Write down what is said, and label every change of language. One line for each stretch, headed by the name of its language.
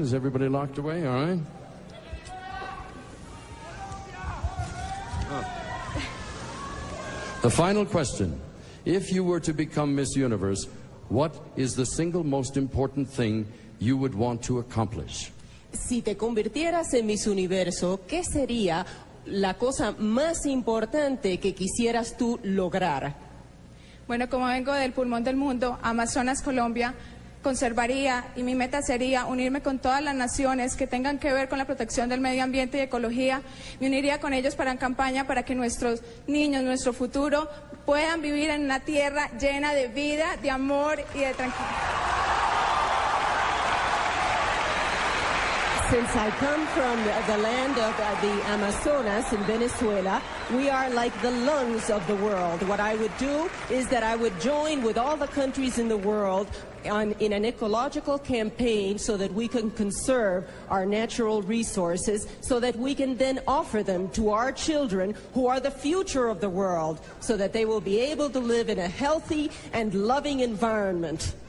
English: Is everybody locked away? All right. The final question. If you were to become Miss Universe, what is the single most important thing you would want to accomplish?
Spanish: Si te convirtieras en Miss Universo, ¿qué sería la cosa más importante que quisieras tú lograr? Bueno, como vengo del pulmón del mundo, Amazonas, Colombia, conservaría y mi meta sería unirme con todas las naciones que tengan que ver con la protección del medio ambiente y ecología. Me uniría con ellos para una campaña para que nuestros niños, nuestro futuro, puedan vivir en una tierra llena de vida, de amor y de tranquilidad.
English: Since I come from the land of the Amazonas in Venezuela, we are like the lungs of the world. What I would do is that I would join with all the countries in the world in an ecological campaign so that we can conserve our natural resources, so that we can then offer them to our children, who are the future of the world, so that they will be able to live in a healthy and loving environment.